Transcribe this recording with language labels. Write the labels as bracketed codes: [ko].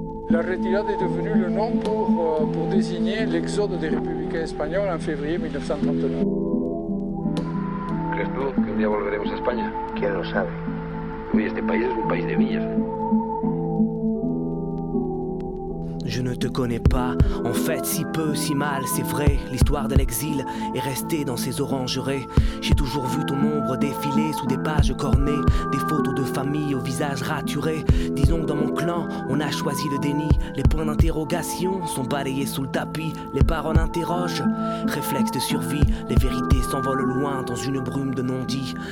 [fr] La retirada est devenue le nom pour désigner l'exode des républicains espagnols en février 1939. [es] ¿Crees tú que un día volveremos a España? ¿Quién lo sabe? Oui, este país es un país de villas. [fr] Je ne te connais pas, en fait si peu, si mal, c'est vrai, l'histoire de l'exil est restée dans ses orangeries. J'ai toujours vu ton ombre défiler sous des pages cornées, des photos de famille au visage raturé. Disons que dans mon clan, on a choisi le déni, les points d'interrogation sont balayés sous le tapis, les paroles interrogent, réflexe de survie, les vérités s'envolent loin dans une brume de non-dits.